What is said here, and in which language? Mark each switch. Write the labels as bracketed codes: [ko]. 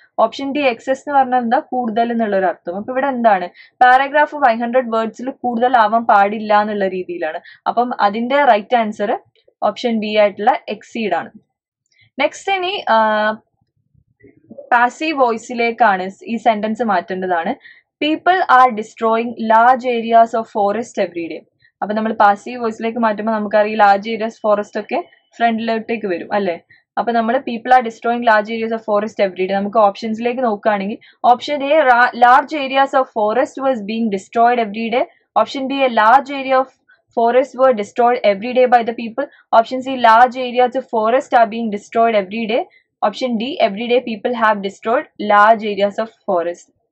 [ml] Option D excess എന്ന് പറഞ്ഞാൽ എന്താ കൂടുതൽ എന്നുള്ളൊരു അർത്ഥം. അപ്പൊ ഇവിടെ എന്താണ് പാരഗ്രാഫ് 500 വേർഡ്സിൽ കൂടുതൽ ആവാൻ പാടില്ല എന്നുള്ള രീതിയിലാണ്. അപ്പം അതിന്റെ റൈറ്റ് ആൻസർ ഓപ്ഷൻ ബി ആയിട്ടുള്ള എക്സീഡ് ആണ്. നെക്സ്റ്റ് ഇനി പാസീവ് വോയിസിലേക്കാണ് ഈ sentence മാറ്റേണ്ടതാണ്. [en] People are destroying large areas of forest every day. [ml] അപ്പൊ നമ്മൾ പാസീവ് വോയിസിലേക്ക് മാറ്റുമ്പോൾ നമുക്കറിയാം ലാർജ് ഏരിയാസ് ഫോറസ്റ്റ് ഒക്കെ ഫ്രണ്ടിലോട്ടേക്ക് വരും അല്ലെ. [en] അപ്പൊ നമ്മൾ people are destroying large areas of forest every day, [ml] നമുക്ക് ഓപ്ഷൻസിലേക്ക് നോക്കുകയാണെങ്കിൽ [en] Option A large areas of forest was being destroyed every day, option B a large area of forest were destroyed every day by the people, option C large areas of forest are being destroyed every day, option D every day people have destroyed large areas of forest.